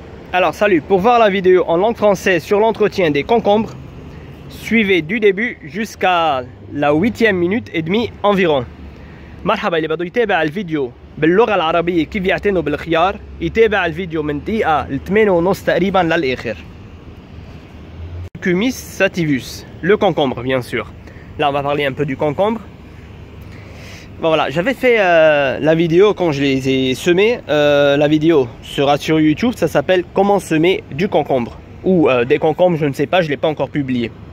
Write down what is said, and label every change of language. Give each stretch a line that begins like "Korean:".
French: Alors salut, pour voir la vidéo en langue française sur l'entretien des concombres, suivez du début jusqu'à la 8e minute et demie environ.
Arabic: مرحبا اللي بدو يتابع الفيديو باللغة العربية كيف يعتنوا بالخيار يتابع الفيديو من دقيقة لثمانية ونص تقريبا للآخر.
French: Cumis sativus, le concombre bien sûr. Là on va parler un peu du concombre. Voilà, j'avais fait la vidéo quand je les ai semés. La vidéo sera sur YouTube, ça s'appelle « Comment semer du concombre » ou des concombres, je ne sais pas, je ne l'ai pas encore publié.